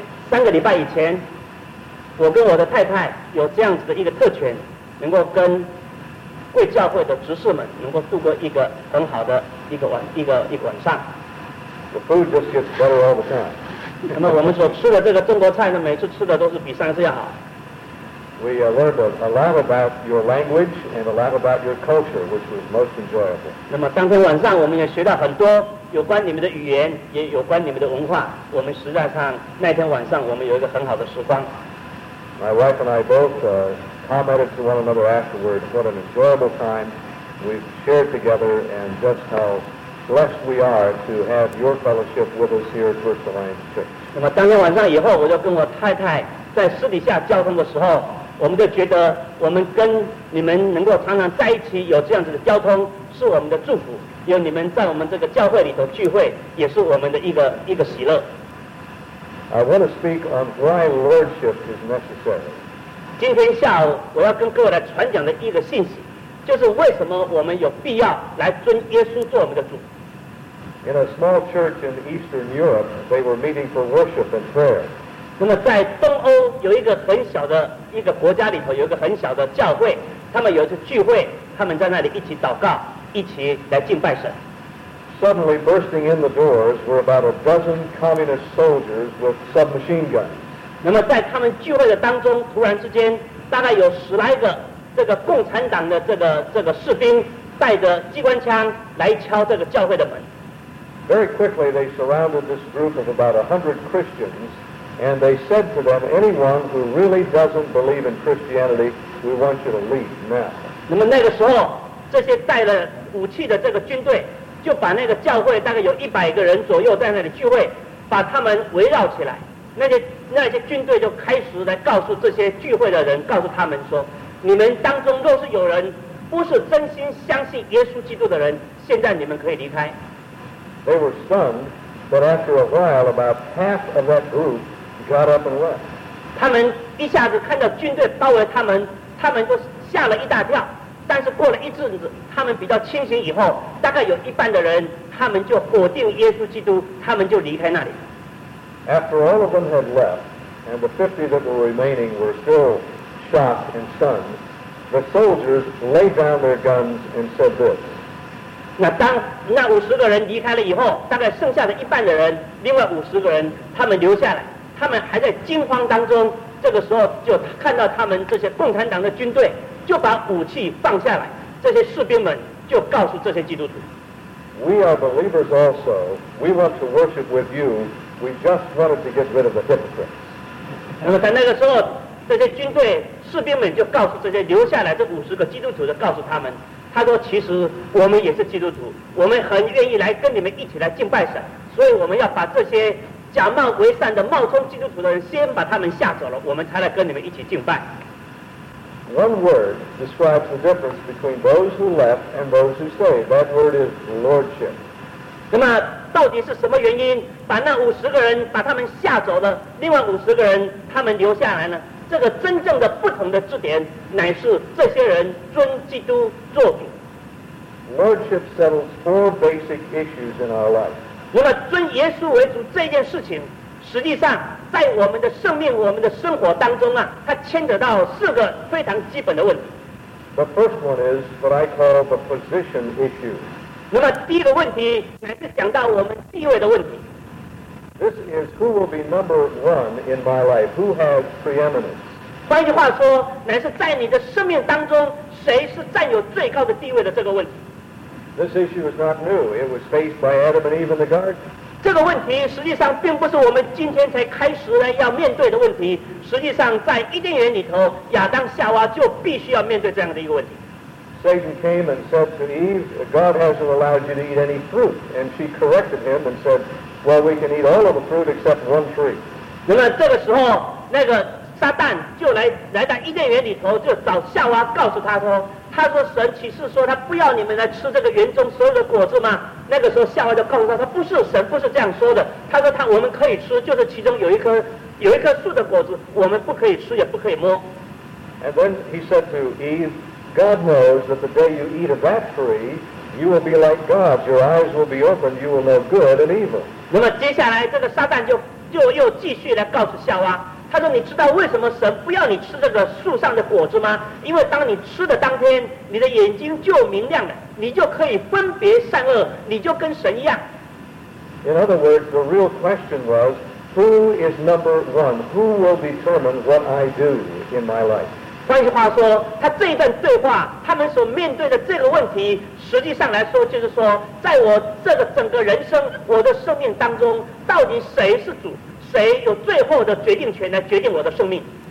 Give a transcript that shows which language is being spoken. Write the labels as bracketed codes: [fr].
[zh] 三个礼拜以前，我跟我的太太有这样子的一个特权，能够跟贵教会的执事们能够度过一个很好的一个晚上。 [en] The food just gets better all the time. [zh] 那么我们所吃的这个中国菜呢，每次吃的都是比上次要好。 [en] We learned a lot about your language and a lot about your culture, which was most enjoyable. [zh] 那么当天晚上我们也学到很多。有关你们的语言，也有关你们的文化，我们实在上那天晚上我们有一个很好的时光。 [en] My wife and I both commented to one another afterwards what an enjoyable time we've shared together and just how blessed we are to have your fellowship with us here at First Alliance Church. [zh] 那么当天晚上以后，我就跟我太太在私底下交通的时候，我们就觉得我们跟你们能够常常在一起，有这样子的交通是我们的祝福。有你们在我们这个教会里头聚会，也是我们的一个喜乐。 [en] I want to speak on why lordship is necessary. [zh] 今天下午我要跟各位来传讲的一个信息，就是为什么我们有必要来尊耶稣做我们的主。 [en] In a small church in Eastern Europe, they were meeting for worship and prayer. [zh] 那么在东欧有一个很小的一个国家里头，有一个很小的教会，他们有一次聚会，他们在那里一起祷告，一起来敬拜神。 [en] Suddenly bursting in the doors were about a dozen communist soldiers with submachine guns. [zh] 那么在他们聚会的当中，突然之间大概有十来个这个共产党的这个士兵带着机关枪来敲这个教会的门。 [en] Very quickly they surrounded this group of about 100 Christians and they said to them, anyone who really doesn't believe in Christianity, we want you to leave now. [zh] 那么那个时候这些带了武器的这个军队就把那个教会大概有100个人左右在那里聚会，把他们围绕起来，那些军队就开始来告诉这些聚会的人，告诉他们说，你们当中若是有人不是真心相信耶稣基督的人，现在你们可以离开。 [en] They were stunned, but after a while, about half of that group got up and left. [zh] 他们一下子看到军队包围他们就吓了一大跳。但是过了一阵子，他们比较清醒以后，大概有一半的人，他们就否定耶稣基督，他们就离开那里。 [en] After all of them had left, and the 50 that were remaining were still shocked and stunned, the soldiers laid down their guns and said this. [zh] 那当那五十个人离开了以后，大概剩下的一半的人，另外五十个人他们留下来，他们还在惊慌当中，这个时候就看到他们这些共产党的军队就把武器放下来，这些士兵们就告诉这些基督徒， [en] We are believers also. We want to worship with you. We just wanted to get rid of the hypocrites. [zh] 那么在那个时候，这些军队士兵们就告诉这些留下来这五十个基督徒，就告诉他们，他说其实我们也是基督徒，我们很愿意来跟你们一起来敬拜神，所以我们要把这些假冒为善的冒充基督徒的人先把他们吓走了，我们才来跟你们一起敬拜。 [en] One word describes the difference between those who left and those who stayed. That word is lordship. [zh] 那么到底是什么原因把那五十个人把他们吓走了，另外五十个人他们留下来呢？这个真正的不同的字典乃是这些人尊基督作主。 [en] Lordship settles four basic issues in our life. [zh] 那么尊耶稣为主这件事情，实际上在我们的生命我们的生活当中啊，它牵扯到四个非常基本的问题。 [en] The first one is what I call the position issue. [zh] 那么第一个问题乃是讲到我们地位的问题。 [en] This is who will be number one in my life. Who has preeminence? [zh] 换句话说，乃是在你的生命当中，谁是占有最高的地位的这个问题。 [en] This issue is not new. It was faced by Adam and Eve in the garden. [zh] 这个问题实际上并不是我们今天才开始来要面对的问题。实际上，在伊甸园里头，亚当夏娃就必须要面对这样的一个问题。 [en] Satan came and said to Eve, "God hasn't allowed you to eat any fruit," and she corrected him and said. Well, we can eat all of the fruit except one tree. [zh] 那么这个时候，那个撒旦就来到伊甸园里头，就找夏娃，告诉他说：“他说神岂是说他不要你们来吃这个园中所有的果子吗？” 那个时候，夏娃就告诉他：“不是，神不是这样说的。他说他我们可以吃，就是其中有一棵树的果子，我们不可以吃，也不可以摸。” [en] And then he said to Eve, "God knows that the day you eat of that tree, you will be like God. Your eyes will be opened. You will know good and evil." [zh] 那么接下来这个撒旦就又继续来告诉夏娃，他说你知道为什么神不要你吃这个树上的果子吗？因为当你吃的当天，你的眼睛就明亮了，你就可以分别善恶，你就跟神一样。 [en] In other words, the real question was, who is number one? Who will determine what I do in my life? [zh] 换句话说，他这一段对话，他们所面对的这个问题，实际上来说就是说，在我这个整个人生我的生命当中，到底谁是主，谁有最后的决定权来决定我的生命。